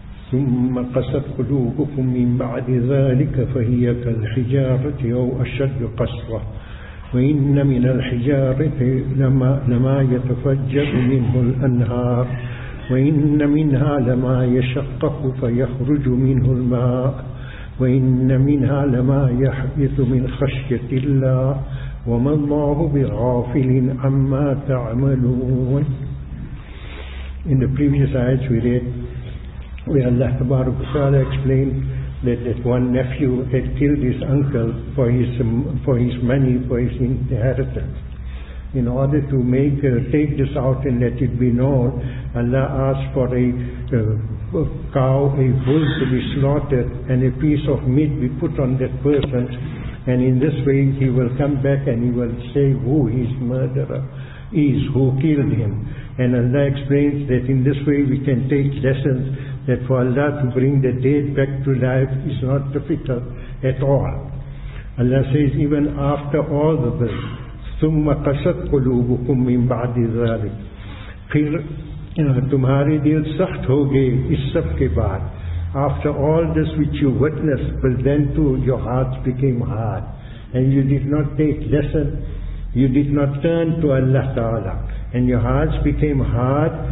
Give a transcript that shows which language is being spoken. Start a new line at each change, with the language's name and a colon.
Arabic: ثم قست قلوبكم من بعد ذلك فهي كالحجارة أو أشد قسوة، وإن من الحجارة لما يتفجر منه الأنهار، وإن منها لما يشقق فيخرج منه الماء، وإن منها لما يحدث من خشية الله، وما الله بغافل عما تعملون.
English: In the previous ayat we read, where Allah Tabaraka wa Ta'ala explained that that one nephew had killed his uncle for his money, for his inheritance. In order to take this out and let it be known, Allah asked for a cow, a bull to be slaughtered, and a piece of meat be put on that person, and in this way he will come back and he will say who his murderer is, who killed him. And Allah explains that in this way we can take lessons, that for Allah to bring the dead back to life is not difficult at all. Allah says, even after all of this,
Arabic: ثُمَّ قَسَتْ قُلُوبُكُمْ مِنْ بَعْدِ ذَلِكَ،
Urdu: پھر تمہارے دل سخت ہو گئے اس سب کے بعد.
English: After all this which you witnessed, but then too your hearts became hard. And you did not take lesson, you did not turn to Allah Ta'ala. And your hearts became hard.